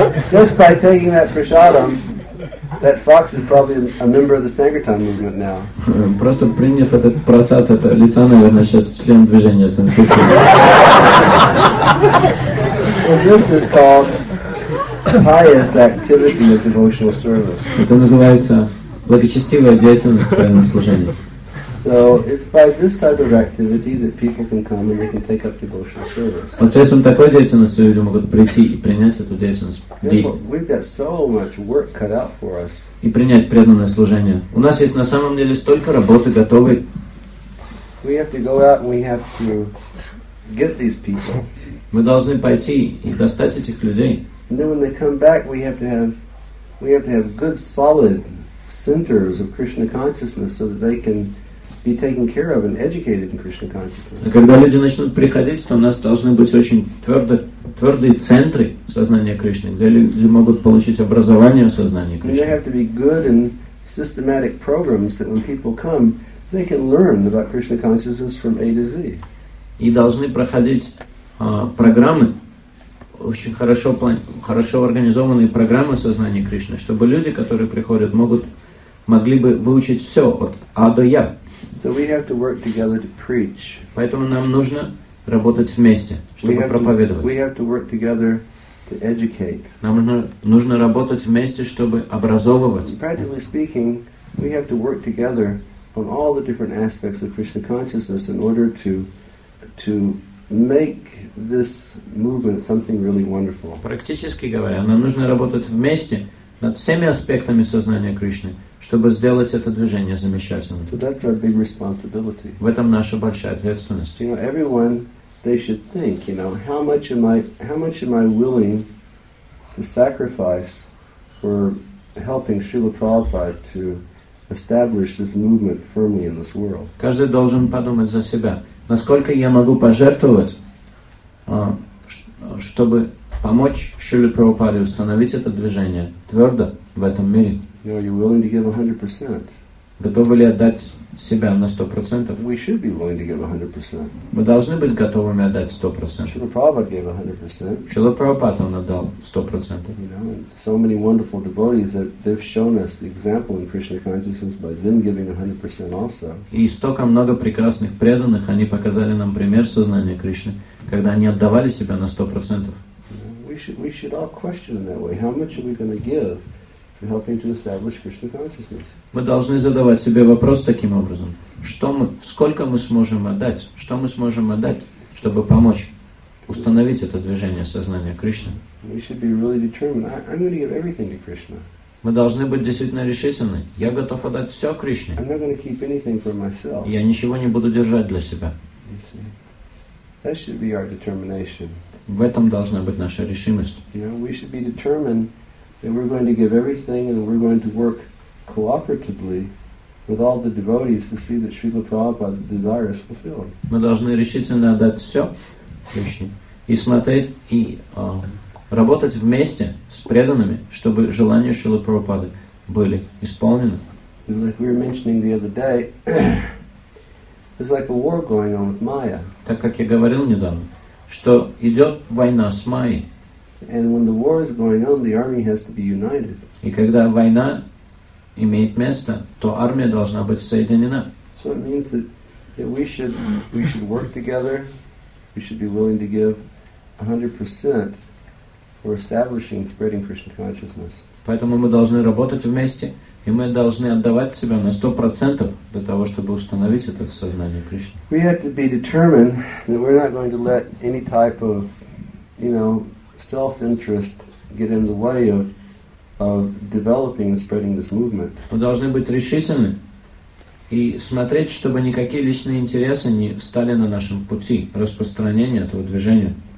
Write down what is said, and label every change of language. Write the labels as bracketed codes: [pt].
[en] Just by taking that prasadam, that fox is probably a member of the Sankirtan movement now. [ru] Просто приняв этот прасад, эта лиса, наверное, сейчас член движения Санкиртан. [en] Well, this is called pious activity of devotional service. [ru] Это называется благочестивая деятельность в военном служении. [en] So it's by this type of activity that people can come and they can take up devotional service. [ru] Посредством такой деятельности люди могут прийти и принять эту деятельность. [en] We've got so much work cut out for us. [ru] И принять преданное служение. У нас есть на самом деле столько работы готовой. [en] We have to go out and we have to get these people. [ru] Мы должны пойти и достать этих людей. [en] And then when they come back, we have to have good solid centers of Krishna consciousness so that they can be taken care of and educated in Krishna consciousness. [ru] А когда люди начнут приходить, то у нас должны быть очень твердые центры сознания Кришны, где люди могут получить образование в сознании Кришны. [en] There have to be good and systematic programs that when people come, they can learn about Krishna consciousness from A to Z. [ru] И должны проходить программы, очень хорошо организованные программы сознания Кришны, чтобы люди, которые приходят, могут могли бы выучить все от А до Я. [en] So we have to work together to preach. [ru] Поэтому нам нужно работать вместе, чтобы проповедовать. [en] We have to work together to educate. [ru] Нам нужно работать вместе, чтобы образовывать. [en] Practically speaking, we have to work together on all the different aspects of Krishna consciousness in order to make this movement something really wonderful. [ru] Практически говоря, нам нужно работать вместе над всеми аспектами сознания Кришны, чтобы сделать это движение замечательным. [en] So that's our big responsibility. [ru] В этом наша большая ответственность. [en] You know, everyone, they should think, you know, how much am I willing to sacrifice for helping Srila Prabhupada to establish this movement firmly in this world. [ru] Каждый должен подумать за себя, насколько я могу пожертвовать, чтобы помочь Шриле Прабхупаде установить это движение твердо в этом мире. [en] You know, you're willing to give 100%. [ru] Готовы ли отдать себя на 100%? [en] We should be willing to give 100%. [ru] Мы должны быть готовыми отдать 100%. [en] Шрила Прабхупада gave 100%. [ru] Шрила Прабхупада он отдал 100%. [en] You know, so many wonderful devotees that they've shown us the example in Krishna consciousness by them giving 100% also. [ru] И столько много прекрасных преданных, они показали нам пример сознания Кришны, когда они отдавали себя на 100%. [en] We should all question in that way. How much are we going to give? Helping to establish Krishna consciousness. [ru] Мы должны задавать себе вопрос таким образом: сколько мы сможем отдать, чтобы помочь установить это движение сознания Кришны? [en] We should be really determined. I'm going to give everything to Krishna. [ru] Мы должны быть действительно решительны. Я готов отдать все Кришне. [en] I'm not going to keep anything for myself. [ru] Я ничего не буду держать для себя. [en] That should be our determination. [ru] В этом должна быть наша решимость. [en] You know, we should be determined. And we're going to give everything, and we're going to work cooperatively with all the devotees to see that Srila Prabhupada's desire is fulfilled. [ru] Мы должны решительно отдать все Кришне и смотреть и работать вместе с преданными, чтобы желания Шрилы Прабхупады были исполнены. [en] Like we were mentioning the other day, there's like a war going on with Maya. [ru] Так как я говорил недавно, что идет война с Майей. [en] And when the war is going on, the army has to be united. [ru] И когда война имеет место, то армия должна быть соединена. [en] So it means that we should work together. We should be willing to give 100% for establishing and spreading Krishna consciousness. [ru] Поэтому мы должны работать вместе, и мы должны отдавать себя на 100% для того, чтобы установить это сознание Кришны. [en] We have to be determined that we're not going to let any type of, you know, self-interest get in the way of developing and spreading this movement. [ru] Мы должны быть решительны и смотреть, чтобы никакие личные интересы не стали на нашем пути распространения этого движения.